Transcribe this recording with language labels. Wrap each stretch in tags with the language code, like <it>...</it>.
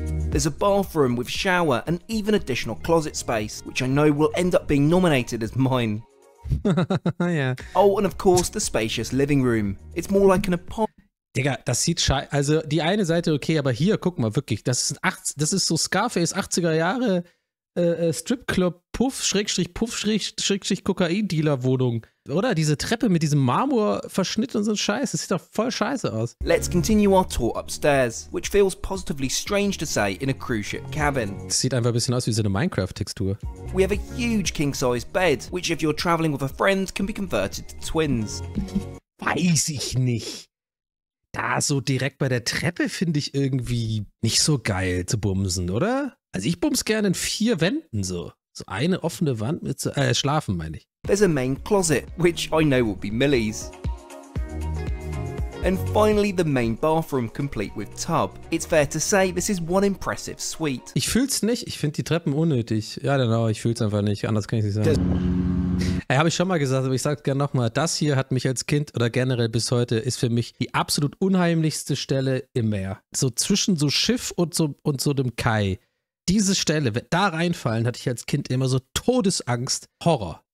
<en>There's a bathroom with shower and even additional closet space, which I know will end up being nominated as mine. Yeah. Oh, and of course the spacious living room. It's more like an apartment.</en> <de>Digga, das sieht scheiße. Also die eine Seite okay, aber hier, guck mal, wirklich, das ist so Scarface 80er Jahre Stripclub Puff / Puff / Kokain-Dealer Wohnung. Oder diese Treppe mit diesem Marmor-Verschnitt und so ein Scheiß, das sieht doch voll scheiße aus.</de> <en>Let's continue our tour upstairs, which feels positively strange to say in a cruise ship cabin.</en> <de>Das sieht einfach ein bisschen aus wie so eine Minecraft-Textur.</de> <en>We have a huge king-size bed, which if you're traveling with a friend, can be converted to twins.</en> <de>Weiß ich nicht. Da so direkt bei der Treppe finde ich irgendwie nicht so geil zu bumsen, oder? Also ich bumse gerne in vier Wänden so. So eine offene Wand mit so, schlafen meine ich.</de> <en>There's a main closet, which I know will be Millie's. And finally the main bathroom, complete with tub. It's fair to say this is one impressive suite.</en> <de>Ich fühl's nicht, ich finde die Treppen unnötig. Ja, genau, ich fühl's einfach nicht, anders kann ich nicht sagen. Ey, habe ich schon mal gesagt, aber ich sag's gerne nochmal. Das hier hat mich als Kind oder generell bis heute ist für mich die absolut unheimlichste Stelle im Meer. So zwischen so Schiff und so dem Kai. Diese Stelle, da reinfallen, hatte ich als Kind immer so Todesangst. Horror.</de>